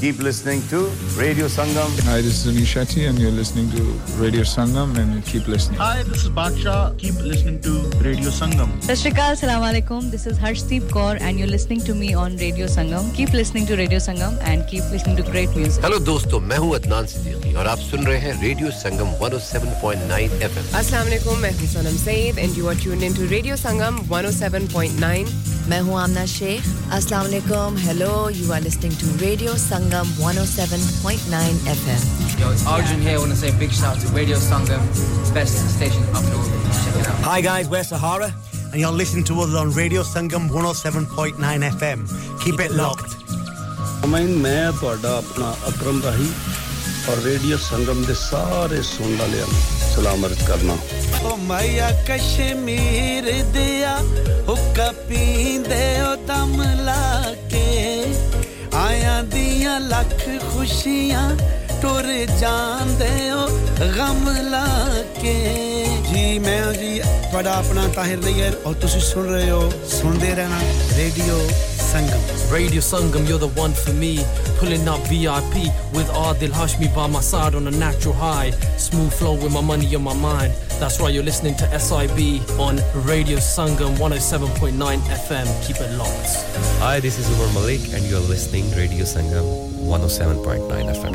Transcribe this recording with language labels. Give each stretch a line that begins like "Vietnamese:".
English: Keep listening to Radio Sangam. Hi, this is Anish Shetty and you're listening to Radio Sangam and keep listening. Hi, this is Baksha. Keep listening to Radio Sangam.
Punjabi: Sashrikal, Salaam Alaikum.
English: This is Harshdeep Kaur and you're listening to me on Radio Sangam. Keep listening to Radio Sangam and keep listening to great music. Hello, dosto.
Hindi: तो मैं हूं अदनान सिद्दीकी और आप सुन रहे हैं radio संगम 107.9 FM।
English: अस्सलाम वालेकुम,
Hindi: मैं हूं
English: Sonam Saeed and you are tuned in to radio Sangam 107.9।
Hindi: मैं हूं आमना शेख।
English: अस्सलाम वालेकुम, hello, you are listening to radio Sangam 107.9 FM। Yo, it's Arjun here, want to say a big shout to radio Sangam, best station up north. Hi guys, we're Sahara and you are listening to us on radio Sangam 107.9 FM। Keep it locked.
Hindi: मैं तो अपना अक्रम राही
Punjabi: ਔਰ radio ਸੰਗਮ ਦੇ ਸਾਰੇ ਸੁਣਨ ਵਾਲਿਆਂ ਨੂੰ ਸਲਾਮ ਅਰਜ਼ ਕਰਨਾ ਓ ਮਾਇਆ ਕਸ਼ਮੀਰ ਦਿਆ ਹੁੱਕਾ ਪੀਂਦੇ ਓ ਦਮ ਲਾ ਕੇ ਆਇਆਂ ਦੀਆਂ ਲੱਖ ਖੁਸ਼ੀਆਂ ਟੁਰ ਜਾਂਦੇ ਓ ਗਮ ਲਾ ਕੇ ਜੀ ਮੈਂ ਜੀ ਤੁਹਾਡਾ ਆਪਣਾ ਤਾਹਿਰ ਨਈਅਰ ਔਰ ਤੁਸੀਂ ਸੁਣ ਰਹੇ ਹੋ ਸੁਣਦੇ ਰਹਿਣਾ radio Sangam
English: Radio Sangam, you're the one for me. Pulling up VIP with Adil Hashmi by my side on a natural high. Smooth flow with my money on my mind. That's right, you're listening to SIB on Radio Sangam 107.9 FM. Keep it locked. Hi, this is Umar Malik and you're listening to Radio Sangam 107.9 FM.